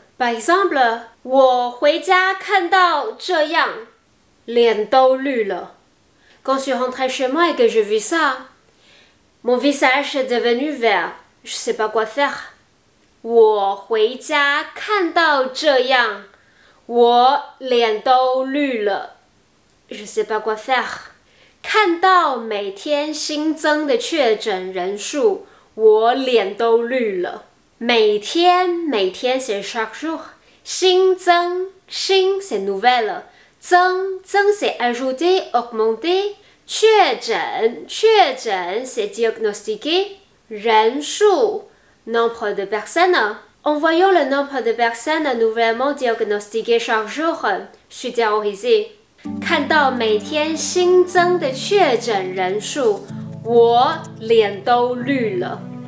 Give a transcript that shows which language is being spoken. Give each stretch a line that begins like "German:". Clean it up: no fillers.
French: Par exemple,
Chinese: 我回家看到这样脸都绿了
French: Quand je suis rentrée chez moi et que j'ai vu ça, mon visage est devenu vert. Je ne sais pas quoi faire.
Chinese: 我回家看到这样我脸都绿了
French: Je ne sais pas quoi faire.
Chinese: 看到每天新增的确诊人数我脸都绿了每天每天
French: c'est chaque jour.
Chinese: 新增新
French: c'est nouvelle.
Chinese: 增增
French: c'est ajouter, augmenter
Chinese: 确诊确诊
French: c'est diagnostiquer
Chinese: 人数
French: nombre de personnes En voyant le nombre de personnes nouvellement diagnostiquées chaque jour je suis terrorisée
Chinese: 看到每天新增的确诊人数我脸都绿了